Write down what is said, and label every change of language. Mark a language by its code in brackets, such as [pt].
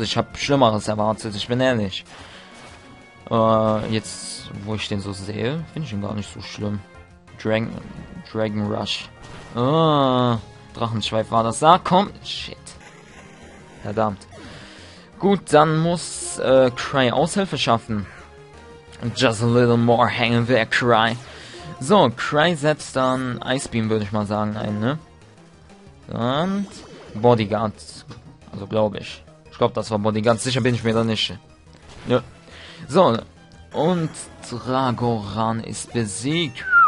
[de] Ich habe Schlimmeres erwartet, ich bin ehrlich. Jetzt, wo ich den so sehe, finde ich ihn gar nicht so schlimm. Dragon Rush. Drachenschweif war das. Ah, komm. Shit. Verdammt. Gut, dann muss Cry Aushilfe schaffen. [en] Just a little more hanging there, Cry. [de] So, Cry setzt dann Ice Beam, würde ich mal sagen, ein, ne? Und Bodyguard. Also, glaube ich. Ich glaube, das war Bodyguard. Sicher bin ich mir da nicht. Ja. So, und Dragoran ist besiegt.